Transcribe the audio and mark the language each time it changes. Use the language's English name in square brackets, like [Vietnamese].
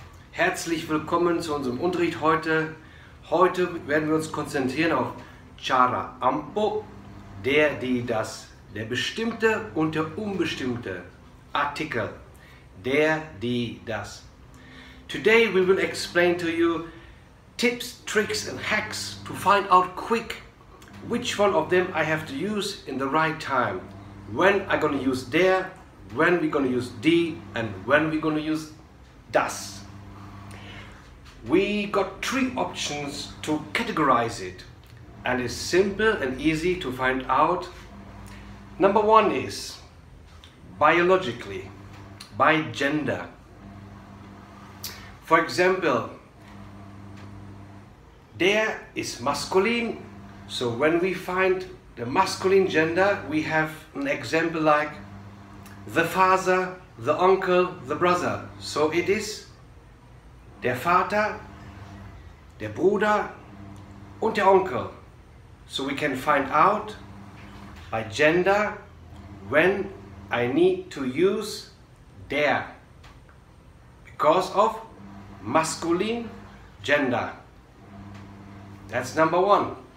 [German] Herzlich willkommen zu unserem Unterricht heute. Heute werden wir uns konzentrieren auf [Indonesian] Cara Ampuh, [German] der, die, das, der bestimmte und der unbestimmte Artikel. Der, die, das. [English] Today we will explain to you tips, tricks and hacks to find out quick which one of them I have to use in the right time. When I'm gonna use der, when we're gonna use die and when we're gonna use das. We got three options to categorize it, and it's simple and easy to find out. Number one is biologically, by gender. For example, der is masculine, so when we find the masculine gender, we have an example like the father, the uncle, the brother. So it is [German] der Vater, der Bruder und der Onkel. [English] So we can find out by gender when I need to use der, because of masculine gender. That's number one.